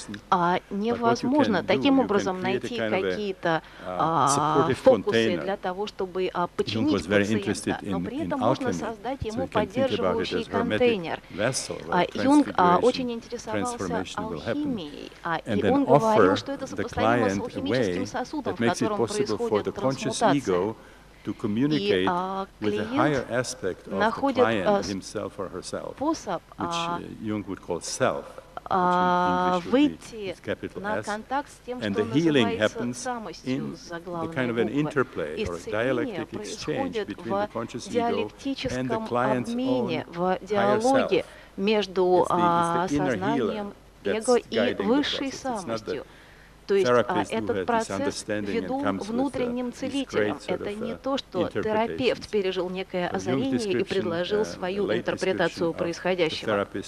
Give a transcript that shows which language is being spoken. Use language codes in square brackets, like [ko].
[ru] А невозможно таким образом найти какие-то фокусы для того, чтобы починить пациента, но при этом можно создать ему поддерживающий контейнер. Юнг очень интересовался алхимией, и он говорил, что это сопоставимо с алхимическим сосудом, в котором происходит трансмутация. [en] To communicate with a higher aspect of the client, himself or herself, which Jung would call self, which in English would be with capital S, and the healing happens in the kind of an interplay or dialectic exchange between the conscious ego and the client's own higher self. It's the inner healer that's guiding the process. [ru] То есть этот процесс ведом внутренним целителем. Это не то, что терапевт пережил некое озарение и предложил свою интерпретацию происходящего.